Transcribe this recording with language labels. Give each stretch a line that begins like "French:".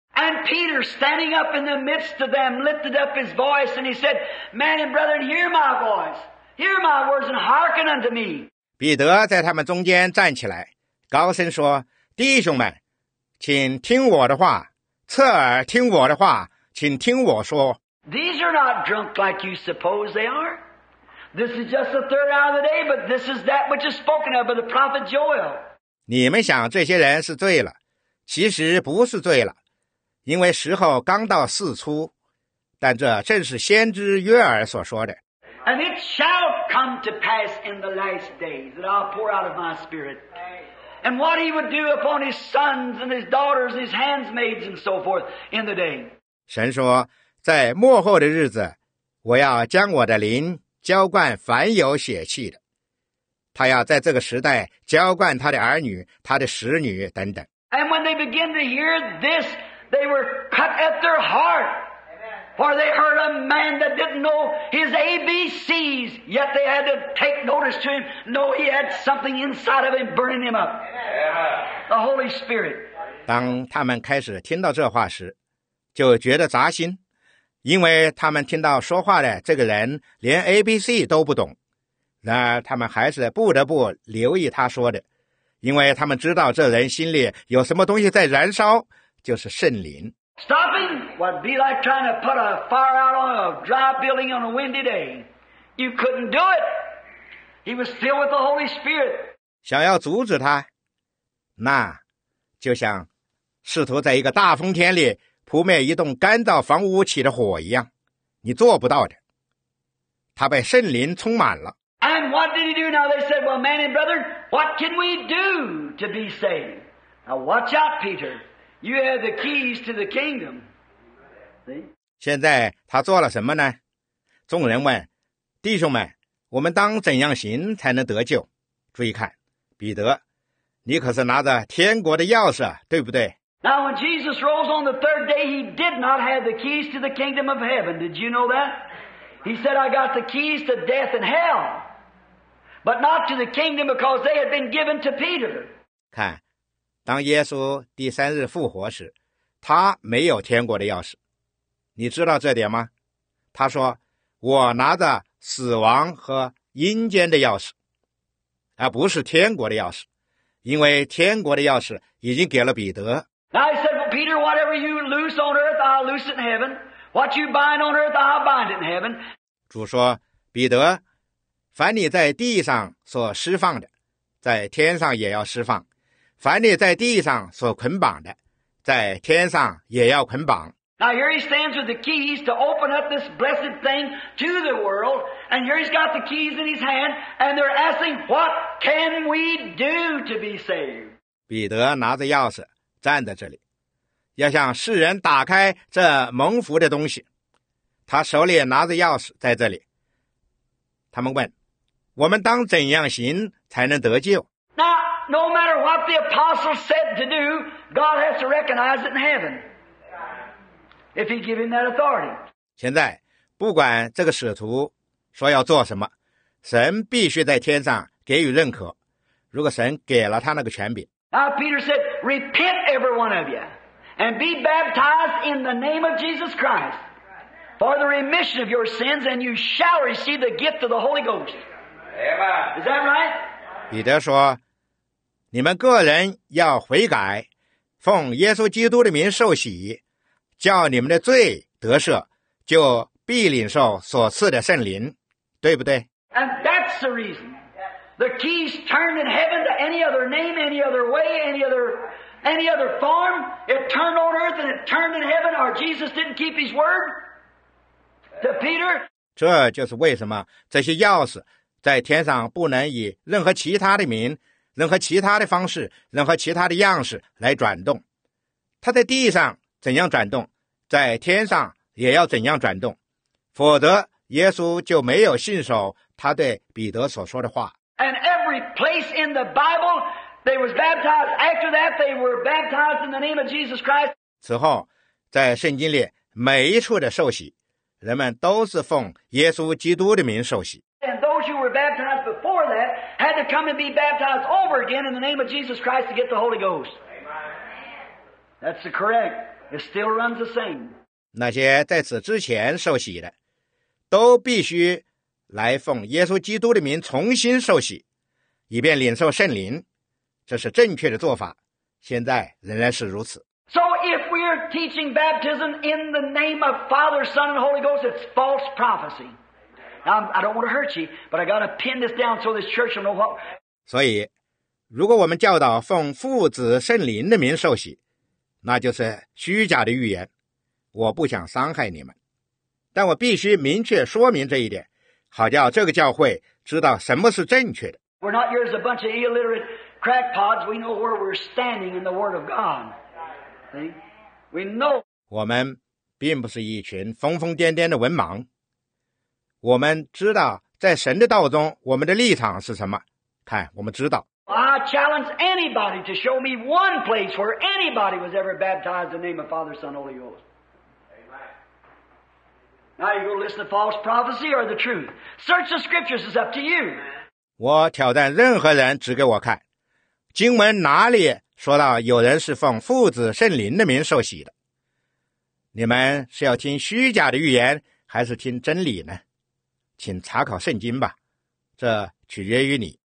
English: And Peter, standing up in the midst of them, lifted up his voice, and he said, "Man and brethren, hear my voice, hear my words, and hearken unto me."
Chinese: 彼得在他们中间站起来，高声说：“弟兄们，请听我的话，侧耳听我的话，请听我说。”
English: These are not drunk like you suppose they are. This is just the third hour of the day, but this is that which is spoken of by the prophet Joel.
Chinese: 你们想这些人是醉了，其实不是醉了，因为时候刚到四初，但这正是先知约珥所说的。
English: And it shall come to pass in the last days that I'll pour out of my spirit. And what he would do upon his sons and his daughters, his handmaids and so forth in the day.
Chinese: 神说，在末后的日子，我要将我的灵浇灌凡有血气的。他要在这个时代浇灌他的儿女、他的使女等等。
English: And when they began to hear this, they were cut at their heart, for they heard a man that didn't know his ABCs, yet they had to take notice to him. No, he had something inside of him burning him up. The Holy Spirit.
Chinese: 当他们开始听到这话时，就觉得扎心，因为他们听到说话的这个人连 ABC 都不懂。然而他们还是不得不留意他说的，因为他们知道这人心里有什么东西在燃烧，就是圣灵。
English: Stopping would be like trying to put a fire out on a dry building on a windy day. You couldn't do it. He was filled with the Holy Spirit.
Chinese: 想要阻止他，那就像试图在一个大风天里扑灭一栋干燥房屋起的火一样，你做不到的。他被圣灵充满了。
English: And what did he do? Now they said, well, man and brother, what can we do to be saved? Now watch out, Peter. You have the keys to the kingdom. See?
Chinese: 现在他做了什么呢？众人问，弟兄们，我们当怎样行才能得救？注意看，彼得，你可是拿着天国的钥匙，对不对？
English: Now when Jesus rose on the third day, he did not have the keys to the kingdom of heaven. Did you know that? He said, I got the keys to death and hell, but not to the kingdom because they had been given to Peter.
Chinese: 看，当耶稣第三日复活时，他没有天国的钥匙。你知道这点吗？他说，我拿着死亡和阴间的钥匙，而不是天国的钥匙，因为天国的钥匙已经给了彼得。
English: Now he said, well, Peter, whatever you loose on earth, I'll loose in heaven. What you bind on earth, I'll bind in heaven.
Chinese: 主说，彼得，凡你在地上所释放的，在天上也要释放。凡你在地上所捆绑的，在天上也要捆绑。
English: Now here he stands with the keys to open up this blessed thing to the world, and here he's got the keys in his hand, and they're asking, "What can we do to be saved?"
Chinese: 彼得拿着钥匙站在这里，要向世人打开这蒙福的东西。他手里拿着钥匙在这里。他们问：“我们当怎样行才能得救？”
English: Now, no matter what the apostles said to do, God has to recognize it in heaven. If he gives him that authority.
Chinese: 现在，不管这个使徒说要做什么，神必须在天上给予认可。如果神给了他那个权柄。
English: Now, Peter said, "Repent, every one of you, and be baptized in the name of Jesus Christ." For the remission of your sins, and you shall receive the gift of the Holy Ghost. Amen. Is that right?
Chinese: 彼得说，你们个人要悔改，奉耶稣基督的名受洗，叫你们的罪得赦，就必领受所赐的圣灵，对不对？
English: And that's the reason. The keys turned in heaven to any other name, any other way, any other form. It turned on earth and it turned in heaven, or Jesus didn't keep his word. To Peter,
Chinese: 这就是为什么这些钥匙在天上不能以任何其他的名、任何其他的方式、任何其他的样式来转动。它在地上怎样转动，在天上也要怎样转动，否则耶稣就没有信守他对彼得所说的话。
English: And every place in the Bible, they was baptized. After that, they were baptized in the name of Jesus Christ.
Chinese: 此后，在圣经里每一处的受洗。人们都是奉耶稣基督的名受洗。
English: And those who were baptized before that had to come and be baptized over again in the name of Jesus Christ to get the Holy Ghost. Amen. That's correct. It still runs the same.
Chinese: 那些在此之前受洗的，都必须来奉耶稣基督的名重新受洗，以便领受圣灵。这是正确的做法，现在仍然是如此。
English: So if we are teaching baptism in the name of Father, Son, and Holy Ghost, it's false prophecy. Now, I don't want to hurt you, but I got to pin this down so this church will know what.
Chinese: 所以，如果我们教导奉父子圣灵的名受洗，那就是虚假的预言。我不想伤害你们，但我必须明确说明这一点，好叫这个教会知道什么是正确的。
English: We're not here as a bunch of illiterate crackpots. We know where we're standing in the Word of God. We know.
Chinese: 我们并不是一群疯疯癫癫的文盲，我们知道在神的道中我们的立场是什么。看，我们知道。
English: I challenge anybody to show me one place where anybody was ever baptized in the name of Father, Son, Holy Ghost. Now you go listen to false prophecy or the truth. Search the scriptures. It's up to you.
Chinese: 我挑战任何人指给我看经文哪里。说到有人是奉父子圣灵的名受洗的，你们是要听虚假的预言还是听真理呢？请查考圣经吧，这取决于你。